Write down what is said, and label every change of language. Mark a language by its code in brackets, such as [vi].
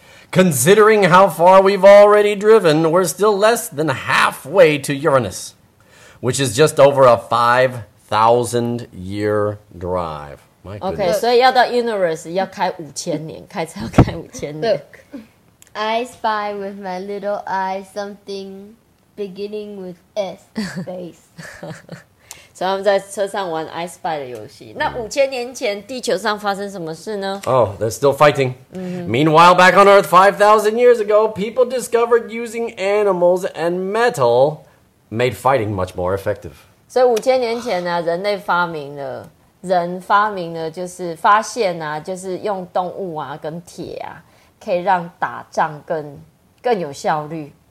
[en] Considering how far we've already driven, we're still less than halfway to Uranus, which is just over a 5,000-year drive. My goodness. Okay, so [zh] 要到 universe 要开五千年，开车要开五千年。 [en] Look, I spy with my little eye something beginning with S. Space. [zh] 所以他们在车上玩 I spy 的游戏。那五千年前地球上发生什么事呢？ [en] Oh, they're still fighting.、Mm-hmm. Meanwhile, back on Earth 5,000 years ago, people discovered using animals and metal made fighting much more effective. [zh] 所以五千年前呢、啊，人类发明了，人发明了就是发现啊，就是用动物啊跟铁啊，可以让打仗更有效率。